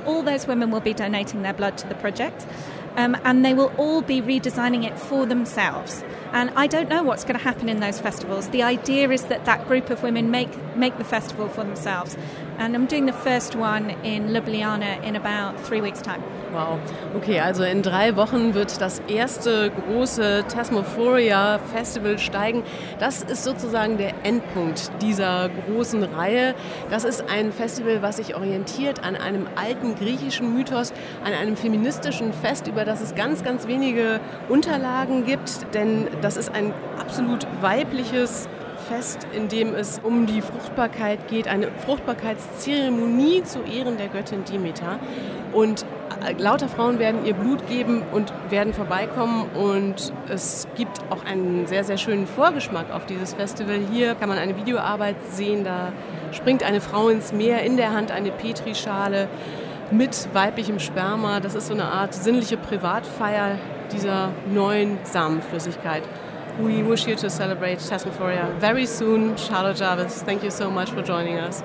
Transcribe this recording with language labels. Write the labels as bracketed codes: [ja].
[en] All those women will be donating their blood to the project, and they will all be redesigning it for themselves. And I don't know what's going to happen in those festivals. The idea is that that group of women make the festival for themselves. And I'm doing the first one in Ljubljana in about 3 weeks' time. Wow. [de] Okay, also in 3 Wochen wird das erste große Tasmophoria-Festival steigen. Das ist sozusagen der Endpunkt dieser großen Reihe. Das ist ein Festival, was sich orientiert an einem alten griechischen Mythos, an einem feministischen Fest, über das es ganz, ganz wenige Unterlagen gibt. Denn das ist ein absolut weibliches Fest, in dem es um die Fruchtbarkeit geht, eine Fruchtbarkeitszeremonie zu Ehren der Göttin Demeter. Und lauter Frauen werden ihr Blut geben und werden vorbeikommen. Und es gibt auch einen sehr, sehr schönen Vorgeschmack auf dieses Festival. Hier kann man eine Videoarbeit sehen, da springt eine Frau ins Meer, in der Hand eine Petrischale mit weiblichem Sperma. Das ist so eine Art sinnliche Privatfeier dieser neuen Samenflüssigkeit. [en] We wish you to celebrate Tasmophoria very soon, Charlotte Jarvis. Thank you so much for joining us.